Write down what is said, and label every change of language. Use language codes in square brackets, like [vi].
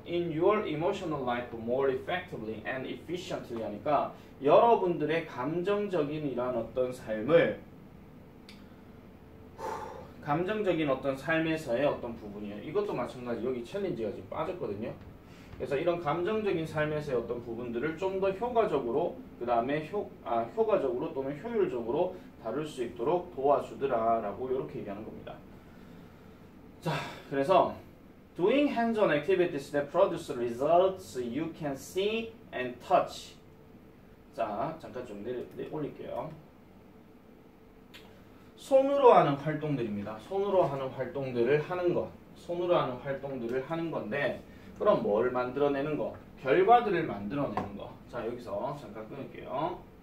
[en] In your emotional life more effectively and efficiently [ko] 하니까 여러분들의 감정적인 이런 어떤 삶을, 감정적인 어떤 삶에서의 어떤 부분이에요. 이것도 마찬가지 여기 챌린지가 지금 빠졌거든요. 그래서 이런 감정적인 삶에서의 어떤 부분들을 좀 더 효과적으로, 그 다음에 효과적으로 또는 효율적으로 다룰 수 있도록 도와주더라라고 이렇게 얘기하는 겁니다. 자, 그래서 [en] Doing hands-on activities that produce results you can see and touch. [ko] 자, 잠깐 좀 내려올릴게요. 손으로 하는 활동들입니다. 손으로 하는 활동들을 하는 것. 손으로 하는 활동들을 하는 건데, 그럼 뭘 만들어내는 것? 결과들을 만들어내는 것. 자, 여기서 잠깐 끊을게요.